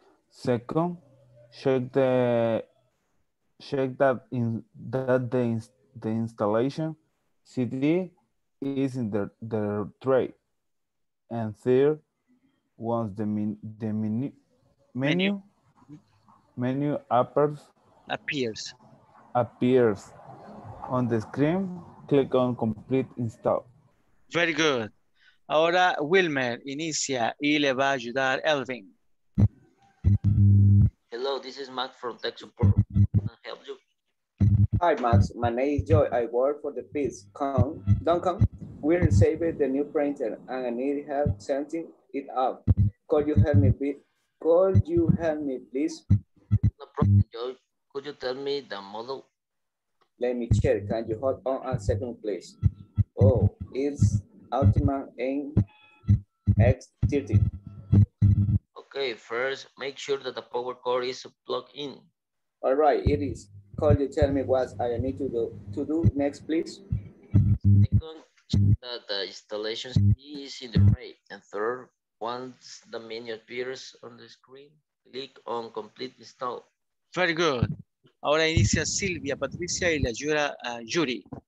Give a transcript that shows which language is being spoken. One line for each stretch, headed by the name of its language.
English: Second, check that the installation CD is in the tray. And third, once the menu appears on the screen, click on complete install. Very good.
Spanish: Ahora Wilmer inicia y le va a ayudar Elvin.
English: Hello, this is Max from Tech Support. Can I help you? Hi, Max. My name is Joy. I work for the Peace. Duncan, we received the new printer and I need help setting it up. Could you help me, please? No problem, Joy. Could you tell me the model? Let me check. Can you hold on a second, please? Oh, it's Ultima MX30. Okay, first, make sure that the power cord is plugged in. All right, it is. Could you tell me what I need to do next, please? Second, check that the installation is in the tray. And third, once the menu appears on the screen, click on complete install. Very good.
Spanish: Ahora inicia Silvia Patricia y le ayuda a Yuri.